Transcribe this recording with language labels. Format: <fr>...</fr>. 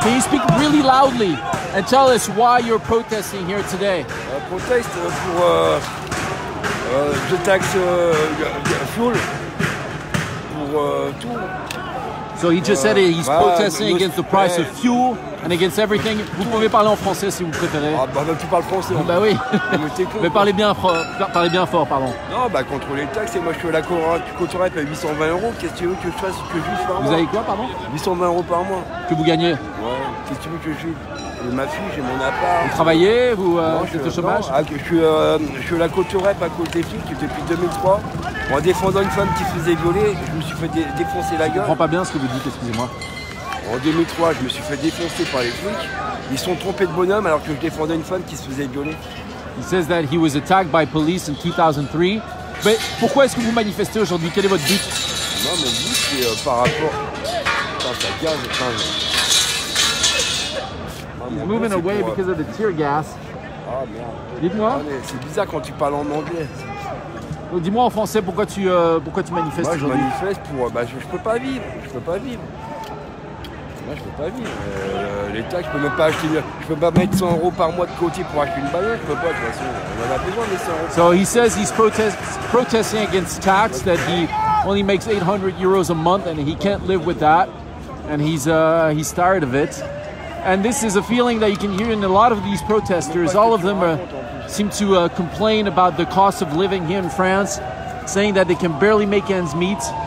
<en>Can you speak really loudly and tell us why you're protesting here today? Protest for the tax fuel. For two. So he just said he's protesting against the price of fuel and against everything.</en> <fr>Vous pouvez parler en français si vous préférez. Ah bah non, tu parles français. Bah oui. Mais parlez bien fort, pardon. Non, bah contre les taxes, et moi je suis à la couturette, mais 820 euros, qu'est-ce que tu veux que je fasse, que je juge par mois? Vous avez quoi, pardon? 820 euros par mois. Que vous gagnez? Ouais, qu'est-ce que tu veux que je juge? J'ai ma fille, j'ai mon appart. Vous travaillez, vous êtes au chômage? Non, je suis à la couturette à cause des filles depuis 2003. En défendant une femme qui se faisait violer, je me suis fait défoncer la gueule. Je comprends pas bien ce que vous dites, excusez-moi. En 2003, je me suis fait défoncer par les flics. Ils sont trompés de bonhomme alors que je défendais une femme qui se faisait violer.</fr> <en>He says that he was attacked by police in 2003.</en> <fr>Mais pourquoi est-ce que vous manifestez aujourd'hui? Quel est votre but? Non, mon but, c'est par rapport... Putain, ça gaz, putain. Je... Non,</fr> <en>he's moving away</en> <fr>pour...</fr> <en>because of the tear gas.</en> <fr>Ah, merde. Dites-moi. Non, mais c'est bizarre quand tu parles en anglais. Donc, dis-moi en français pourquoi tu manifestes. Moi, je manifeste pour... Je peux pas vivre. Moi, je peux pas vivre. L'État, je peux même pas acheter... Je peux pas mettre 100 euros par mois de côté pour acheter une bagnole. Je peux pas, de toute façon. On en a besoin, mais 100 euros.</fr> <en>So, he says he's protesting against tax, that he only makes 800 euros a month and he can't live with that. And he's tired of it. And this is a feeling that you can hear in a lot of these protesters. All of them are... seem to complain about the cost of living here in France, saying that they can barely make ends meet.</en>